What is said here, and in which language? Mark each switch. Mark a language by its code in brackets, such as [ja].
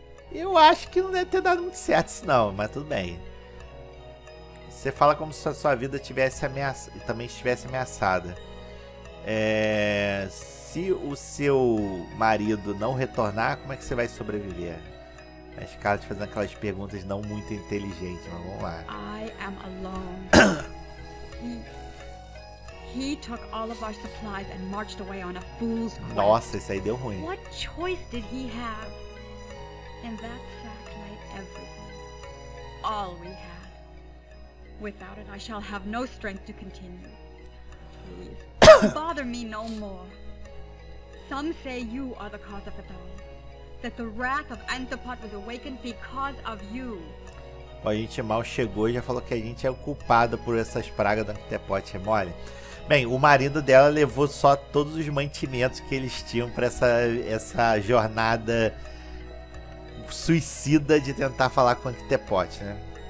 [pt] Eu acho que não deve ter dado muito certo isso não, mas tudo bem. Você fala como se a sua vida tivesse ameaçada, também estivesse ameaçada. É, se o seu marido não retornar, como é que você vai sobreviver? Mas cara, te fazendo aquelas perguntas não muito inteligentes, mas vamos lá. [en] I am alone. He took all of our supplies and marched away on a fool's quest. [pt] Nossa, isso aí deu ruim. [en] What choice did he have? In that fact lay everything. All we have. Without it, I shall have no strength to continue. Please, bother me no more. Some say you are the cause of it all. That the wrath of Anthropod was awakened because of you. [pt] A gente mal chegou e já falou que a gente é o culpado por essas pragas do Anthropod, é mole? Bem, o marido dela levou só todos os mantimentos que eles tinham para essa jornada suicida de tentar falar com Anthropod, né?